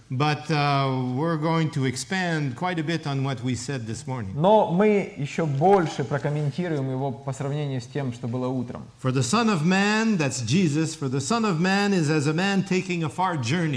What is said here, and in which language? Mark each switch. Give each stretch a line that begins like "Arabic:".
English: But we're going to expand quite a bit on what we said this morning.
Russian: Но мы еще больше прокомментируем его по сравнению с тем, что было утром.
English: For the Son of Man, that's Jesus, for the Son of Man is as a man taking a far journey.